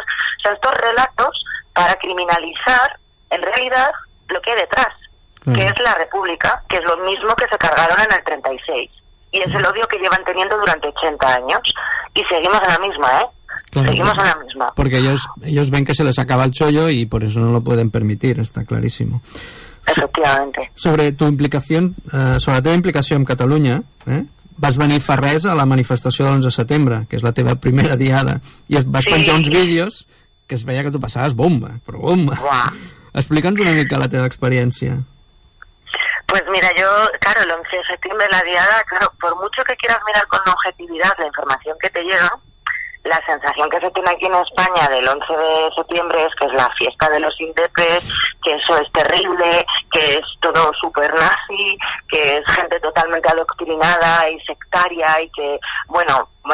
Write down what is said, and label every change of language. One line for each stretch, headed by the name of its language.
Spanish: O sea, estos relatos para criminalizar, en realidad, lo que hay detrás, que es la República, que es lo mismo que se cargaron en el 36. Y es el odio que llevan teniendo durante 80 años. Y seguimos en la misma, ¿eh? Claro, seguimos en la misma. Porque ellos ven que se les acaba el chollo y por eso no lo pueden permitir, está clarísimo. Efectivamente.
Catalan: Sobre tu implicació, sobre la teva implicació en Catalunya, vas venir fa res a la manifestació de l'11 de setembre, que és la teva primera diada, i et vas penjar uns vídeos que es veia que tu passaves bomba, però bomba. Explica'ns una mica la teva experiència.
Spanish: Pues mira, yo, claro, el 11 de setembre, la diada, claro, por mucho que quieras mirar con objetividad la información que te llega, la sensación que se tiene aquí en España del 11 de septiembre es que es la fiesta de los indepes, que eso es terrible, que es todo súper nazi, que es gente totalmente adoctrinada y sectaria, y que, bueno,